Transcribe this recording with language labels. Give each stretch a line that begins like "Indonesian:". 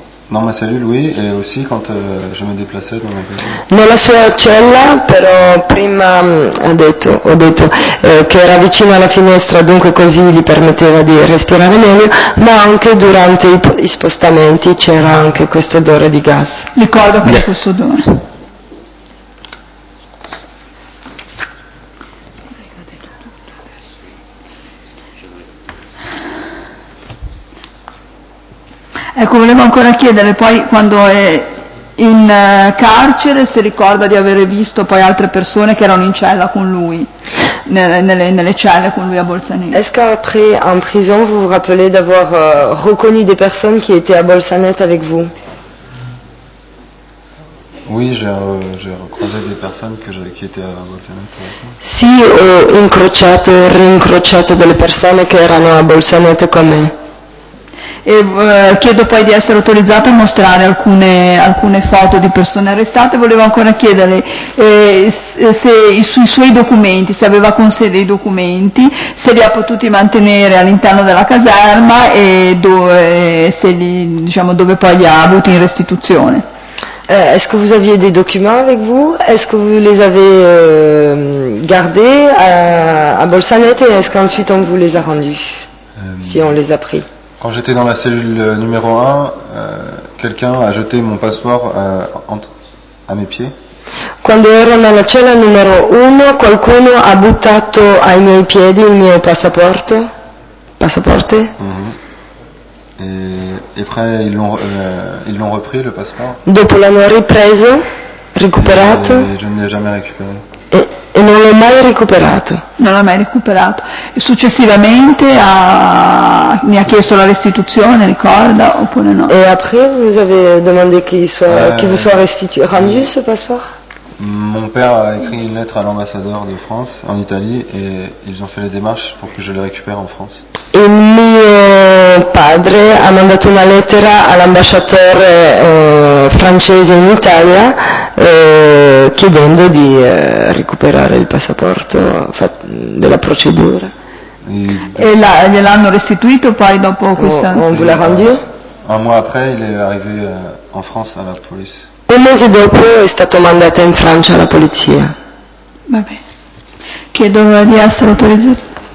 French: Dans ma cellule, oui, et aussi quand je me déplaçais dans la caserne.
Italian: Nella sua cella, però prima ho detto che era vicino alla finestra, dunque così gli permetteva di respirare meglio, ma anche durante i spostamenti c'era anche questo odore di gas. Ricorda per questo odore. Ecco, volevo ancora chiedere poi quando è in carcere se ricorda di avere visto poi altre persone che erano in cella con lui, nelle celle con lui a Bolzaneto.
French: Est-ce qu'après en prison vous vous rappelez d'avoir reconnu des personnes qui étaient à Bolzaneto avec vous? Oui, j'ai recroisé des personnes qui étaient à Bolzaneto avec moi.
Italian: Sì, ho incrociato e rincrociato delle persone che erano a Bolzaneto con me. E chiedo poi di essere autorizzato a mostrare alcune foto di persone arrestate. Volevo ancora chiedere sui suoi documenti, se aveva con sé dei documenti, se li ha potuti mantenere all'interno della caserma e dove poi li ha avuti in restituzione.
French: Est-ce que vous aviez des documents avec vous? Est-ce que vous les avez gardés à Bolzaneto et est-ce qu'ensuite on vous les a rendus, si on les a pris? Quand j'étais dans la cellule numéro 1, quelqu'un a jeté mon passeport à mes pieds.
Italian: Quando ero nella cella numero 1, qualcuno ha buttato ai miei piedi il mio passaporto. Passaporte? Mm-hmm.
French: Et après ils l'ont repris le passeport.
Italian: Dopo l'hanno ripreso, recuperato.
French: Et je ne l'ai jamais récupéré.
Italian: E non l'ho mai recuperato. Non l'ha mai recuperato. E successivamente mi ha chiesto la restituzione, ricorda, oppure no?
French: E après vous avez demandé qu'il vous soit rendu ce passeport? Mon père a écrit une lettre à l'ambassadeur de France en Italie et ils ont fait les démarches pour que je le récupère en France.
Italian: E mio padre ha mandato una lettera all'ambasciatore francese in Italia chiedendo di recuperare il passaporto, della procedura. E gliel'hanno restituito poi dopo questa.
French: On vous l'a rendu? Un mois après, il est arrivé en France à la police.
Italian: Un mese dopo è stato mandato in Francia alla polizia. Va bene. Chiedo di essere autorizzato.